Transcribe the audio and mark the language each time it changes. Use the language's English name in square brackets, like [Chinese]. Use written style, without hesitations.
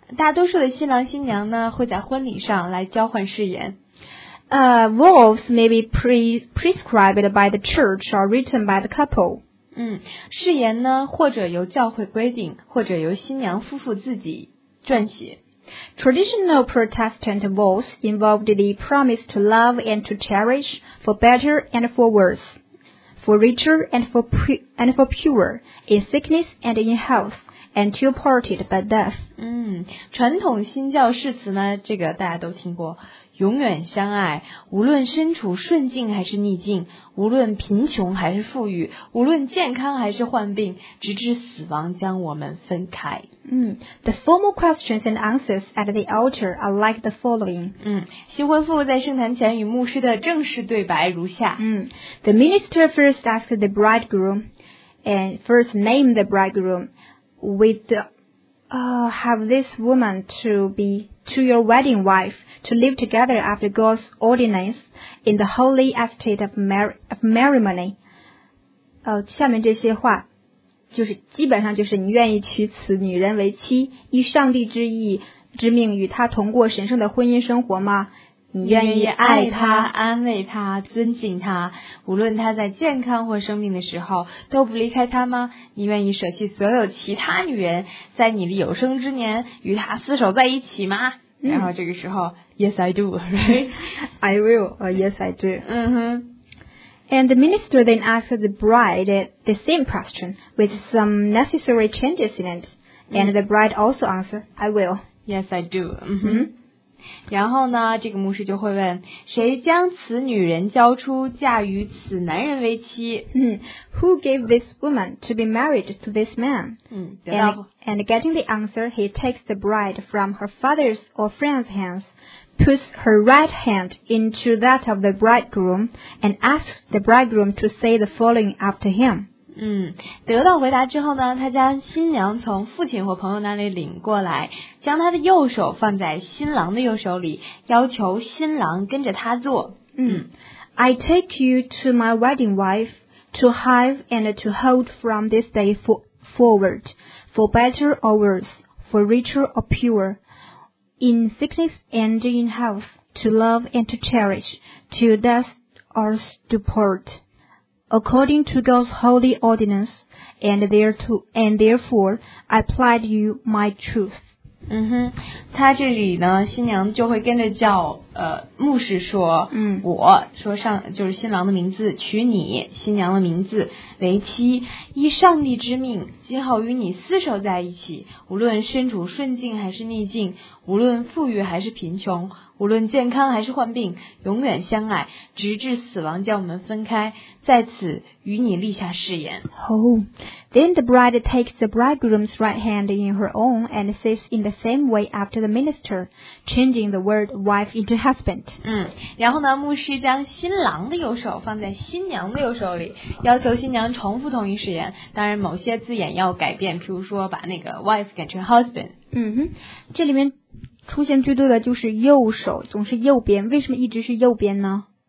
[Chinese] 大多数的新郎新娘呢会在婚礼上来交换誓言。 [English] Vows may be prescribed by the church or written by the couple. [Chinese] 誓言呢或者由教会规定或者由新娘夫妇自己撰写。 [English] Traditional Protestant vows involved the promise to love and to cherish for better and for worse. For richer and for purer, in sickness and in health, until parted by death. [Chinese] 传统新教誓词呢，这个大家都听过，永远相爱，无论身处顺境还是逆境，无论贫穷还是富裕，无论健康还是患病，直至死亡将我们分开。 [English] The formal questions and answers at the altar are like the following. [Chinese] 新婚夫在圣坛前与牧师的正式对白如下。 [English] The minister first asked the bridegroom and first named the bridegroom, have this woman to be to your wedding wife to live together after God's ordinance in the holy estate of marriage. [Chinese] 下面这些话。就是基本上就是你愿意娶此女人为妻，依上帝之意之命与她同过神圣的婚姻生活吗？你愿意爱她、安慰她、尊敬她，无论她在健康或生病的时候都不离开她吗？你愿意舍弃所有其他女人，在你的有生之年与她厮守在一起吗？然后这个时候 [English] ，Yes I do, right? I will, or yes I do. And the minister then asked the bride the same question with some necessary changes in it. And the bride also answered, I will. Yes, I do. [Chinese] 然后呢，这个牧师就会问，谁将此女人交出嫁与此男人为妻？ [English] Who gave this woman to be married to this man? And getting the answer, he takes the bride from her father's or friend's hands. Puts her right hand into that of the bridegroom and asks the bridegroom to say the following after him. [Chinese] 得到回答之后呢，他将新娘从父亲或朋友那里领过来，将他的右手放在新郎的右手里，要求新郎跟着他做。 [English] I take you to my wedding wife to have and to hold from this day forward, for better or worse, for richer or poorer. In sickness and in health, to love and to cherish, to death or to part, according to God's holy ordinance, and therefore I plead you my truth. [Chinese] 他这里呢，新娘就会跟着叫牧师说，我说上就是新郎的名字，娶你新娘的名字为妻，依上帝之命，今后与你厮守在一起，无论身处顺境还是逆境，无论富裕还是贫穷，无论健康还是患病，永远相爱，直至死亡将我们分开，在此与你立下誓言。 [English] Then the bride takes the bridegroom's right hand in her own and says in the same way after the minister, changing the word wife intoHusband. [Chinese] 然后呢，牧师将新郎的右手放在新娘的右手里，要求新娘重复同一誓言。当然，某些字眼要改变，譬如说把那个 wife 改成 husband。这里面出现最多的就是右手，总是右边，为什么一直是右边呢